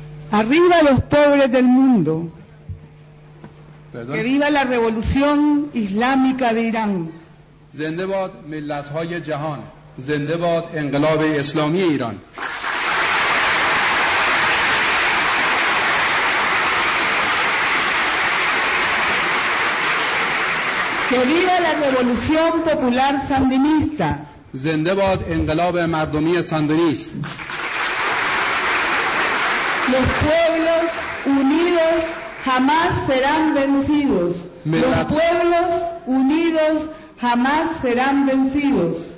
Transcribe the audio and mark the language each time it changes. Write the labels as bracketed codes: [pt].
[es] Arriba los pobres del mundo. ¿Perdón? Que viva la revolución islámica de Irán. [fa] زنده باد ملت‌های جهان. زنده باد انقلاب اسلامی ایران. [es] Que viva la revolución popular sandinista. [fa] زنده باد انقلاب مردمی ساندینیست. [es] Los pueblos unidos jamás serán vencidos. Los pueblos unidos jamás serán vencidos.